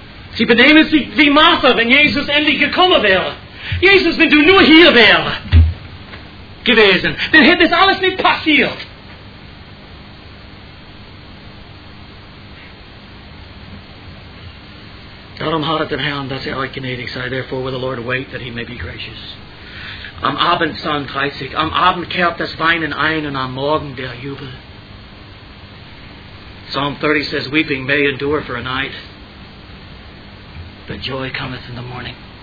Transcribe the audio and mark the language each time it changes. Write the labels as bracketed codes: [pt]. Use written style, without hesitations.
[de] Sie benehmen sich wie Martha, wenn Jesus endlich gekommen wäre. Jesus, wenn du nur hier wärst gewesen, dann hätte das alles nicht passiert. Darum harret dem Herrn, dass er euch gnädig sei. [en] Therefore will the Lord wait that he may be gracious. [de] Am Abend, Psalm 30, am Abend kehrt das Weinen ein und am Morgen der Jubel. [en] Psalm 30 says, weeping may endure for a night, but joy cometh in the morning.